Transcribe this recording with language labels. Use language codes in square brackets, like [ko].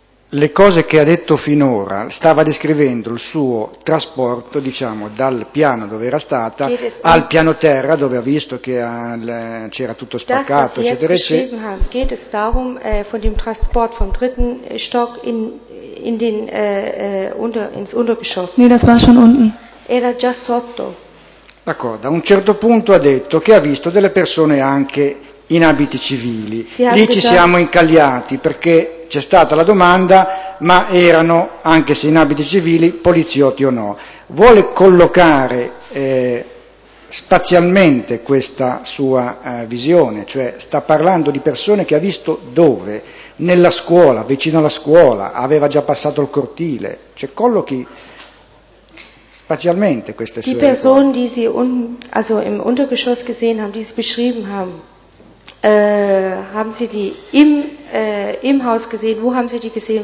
[it] Le cose che ha detto finora, stava descrivendo il suo trasporto, diciamo, dal piano dove era stata al piano terra dove ha visto che c'era tutto spaccato, eccetera, eccetera. [de] Geht es darum, von dem Transport vom dritten Stock ins Untergeschoss. Nee, das war schon unten. [it] Era già sotto. D'accordo, a un certo punto ha detto che ha visto delle persone anche in abiti civili. Lì ci siamo incagliati perché c'è stata la domanda, ma erano, anche se in abiti civili, poliziotti o no. Vuole collocare spazialmente questa sua visione, cioè sta parlando di persone che ha visto dove? Nella scuola, vicino alla scuola, aveva già passato il cortile, cioè collochi spazialmente queste [de] die Personen, die Sie unten, also im Untergeschoss gesehen haben, die Sie beschrieben haben, haben Sie die im Haus gesehen? Wo haben Sie die gesehen?